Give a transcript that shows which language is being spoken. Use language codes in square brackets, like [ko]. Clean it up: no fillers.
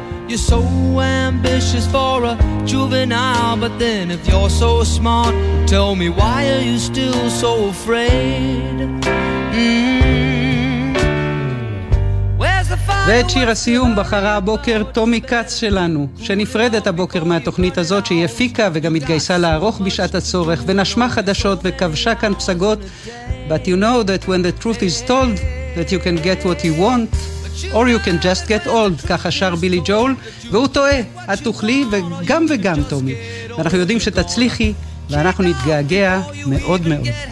[en] You're so ambitious for a juvenile, but then if you're so smart, tell me why are you still so afraid? [he] ואת שיר הסיום בחרה הבוקר תומי קץ שלנו, שנפרדת הבוקר מהתוכנית הזאת, שהיא הפיקה וגם התגייסה לערוך בשעת הצורך, ונשמה חדשות וכבשה כאן פסגות. [en] But you know that when the truth is told, that you can get what you want, or you can just get old, [he] ככה שר בילי ג'ול, והוא טועה, את תוכלי וגם וגם תומי. ואנחנו יודעים שתצליחי, ואנחנו נתגעגע מאוד מאוד.